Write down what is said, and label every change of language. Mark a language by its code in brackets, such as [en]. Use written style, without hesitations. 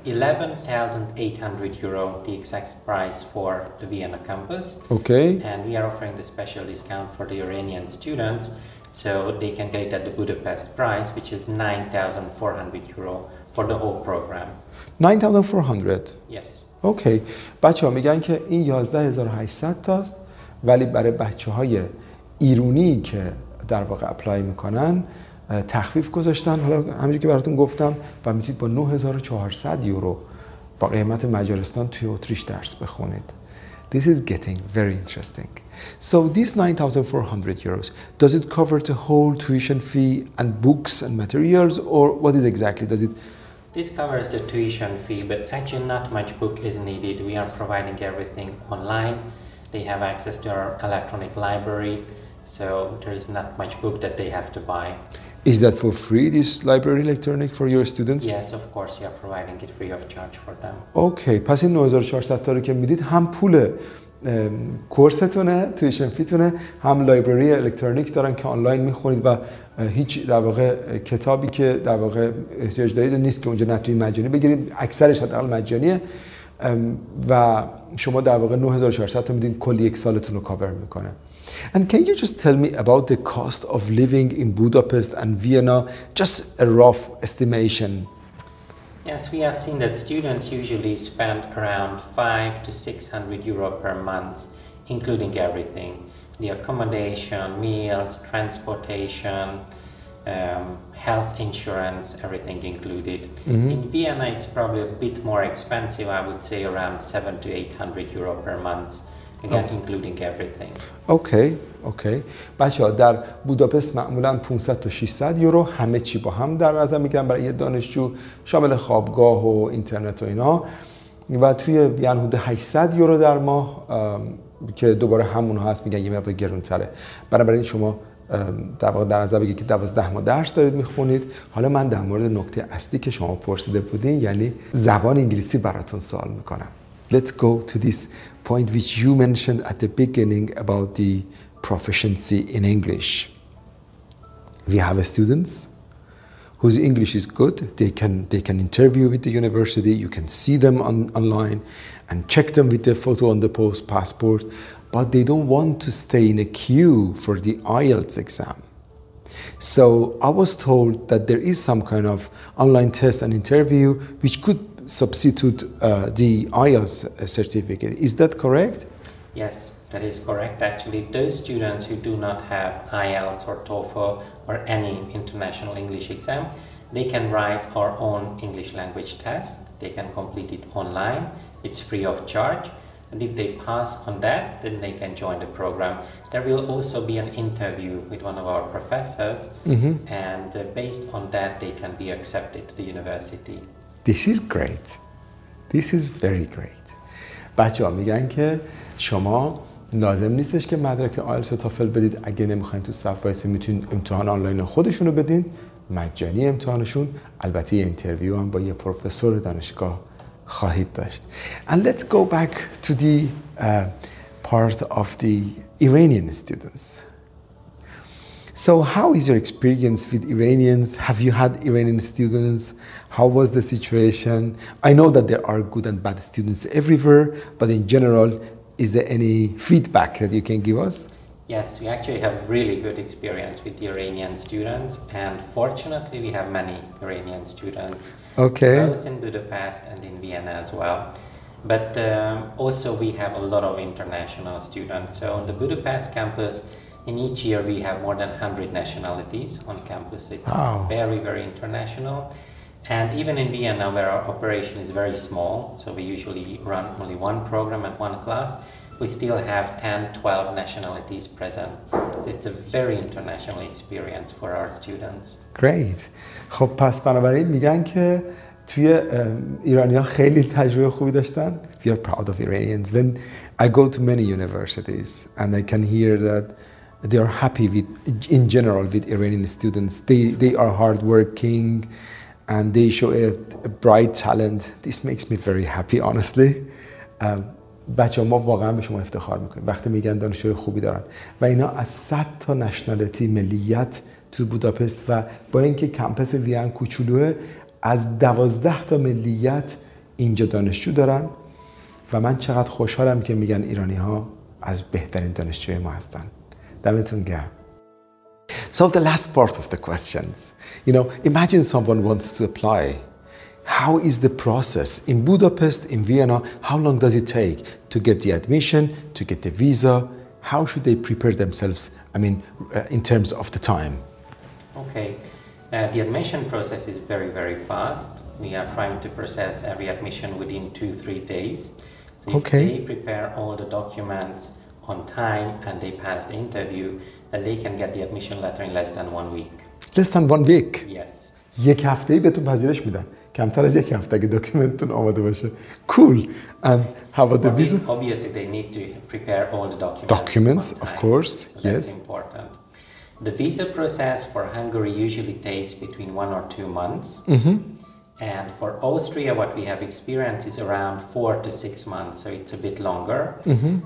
[en] It's 11,800 euro, the exact price for the Vienna campus. Okay. And we are offering the special discount for the Iranian students, so they can get it at the Budapest price, which is 9,400 euro for the whole program. 9,400. Yes. Okay. [fa] بچه ها میگن که این 11,800 تاست، ولی برای بچه های ایرانی که در واقع اپلای میکنن تخفیف گذاشتن، حالا همینجوری که براتون گفتم، و میتونید با 9400 یورو با قیمت مجارستان توی اتریش درس بخونید. [en] This is getting very interesting. So this 9400 euros, does it cover the whole tuition fee and books and materials, or what is exactly does it? This covers the tuition fee, but actually not much book is needed. We are providing everything online. They have access to our electronic library, so there is not much book that they have to buy. Is that for free, this library electronic, for your students? Yes, of course, you are providing it free of charge for them. [fa] Okay, پس این 9400 تا رو که میدید هم پول کورستونه، تویشن فیتونه، هم لایبرری الکترونیک دارن که آنلاین میخونید و هیچ در واقع کتابی که در واقع احتیاج دارید نیست که اونجا نتونید مجانی بگیرید، اکثرش حداقل مجانیه و شما در واقع 9400 تا میدید کلی یک سالتون رو کاور میکنه. [en] And can you just tell me about the cost of living in Budapest and Vienna? Just a rough estimation. Yes, we have seen that students usually spend around 500 to 600 euro per month, including everything. The accommodation, meals, transportation, health insurance, everything included. Mm-hmm. In Vienna, it's probably a bit more expensive, I would say around 700 to 800 euro per month. Again, including everything. Okay. [fa] بچه ها در بوداپست معمولاً 500 تا 600 یورو همه چی با هم در نظر میگیرم برای یه دانشجو، شامل خوابگاه و اینترنت و اینا، و توی وین حدود 800 یورو در ماه که دوباره همون هست، میگن یه مقدار گرونتره. بنابراین شما در واقع در نظر بگیرید که 12 ماه درس دارید میخونید. حالا من در مورد نکته اصلی که شما پرسیده بودین، یعنی زبان انگلیسی، براتون سوال میکنم. [en] Let's go to this point which you mentioned at the beginning about the proficiency in English. We have students whose English is good. They can interview with the university. You can see them online and check them with the photo on the passport. But they don't want to stay in a queue for the IELTS exam. So I was told that there is some kind of online test and interview which could substitute the IELTS certificate. Is that correct? Yes, that is correct. Actually, those students who do not have IELTS or TOEFL or any international English exam, they can write our own English language test. They can complete it online. It's free of charge. And if they pass on that, then they can join the program. There will also be an interview with one of our professors. Mm-hmm. And based on that, they can be accepted to the university. This is great. This is very great. [fa] بچه ها میگن که شما لازم نیستش که مدرک آیلتس و تافل بدید. اگه نمیخواین تو صف وایسی، میتونید امتحان آنلاین خودشون رو بدین. مجانی امتحانشون. البته یه انترویو هم با یه پروفسور دانشگاه خواهید داشت. [en] And let's go back to the part of the Iranian students. So how is your experience with Iranians? Have you had Iranian students? How was the situation? I know that there are good and bad students everywhere, but in general, is there any feedback that you can give us? Yes, we actually have really good experience with the Iranian students, and fortunately we have many Iranian students. Okay. Both in Budapest and in Vienna as well. But also we have a lot of international students. So on the Budapest campus, in each year we have more than 100 nationalities on campus. It's very, very international. And even in Vienna, where our operation is very small, so we usually run only one program and one class, we still have 10-12 nationalities present. It's a very international experience for our students. Great. [fa] خب پس بنابراین میگن که توی ایرانی ها خیلی تجربه خوبی داشتن. [en] We are proud of Iranians. When I go to many universities and I can hear that they are happy with, in general, with Iranian students. They are hardworking and they show a bright talent. This makes me very happy, honestly. [fa] بچه ها ما واقعا به شما افتخار میکنیم وقتی میگن دانشجوی خوبی دارن. و اینا از 100 تا نشنالتی، ملیت تو بوداپست، و با اینکه کمپس ویان کوچولوه، از 12 تا ملیت اینجا دانشجو دارن. و من چقدر خوشحالم که میگن ایرانی ها از بهترین دانشجوی ما هستن. دمتون گرم. [en] So the last part of the questions, you know, imagine someone wants to apply. How is the process in Budapest, in Vienna? How long does it take to get the admission, to get the visa? How should they prepare themselves I mean, in terms of the time. Okay. The admission process is very, very fast. We are trying to process every admission within 2-3 days. So if okay. they prepare all the documents on time and they pass the interview, then they can get the admission letter in less than 1 week. Less than 1 week? Yes. [fa] یک هفته‌ای بهتون پذیرش میدن. کمتر از یک هفته اگه دکومنتتون آماده باشه. [en] Cool. And how about the visa? Obviously, they need to prepare all the documents. Documents, of course. So yes. That's important. The visa process for Hungary usually takes between 1 or 2 months. Mm-hmm. And for Austria, what we have experienced is around 4 to 6 months, so it's a bit longer. Mm-hmm.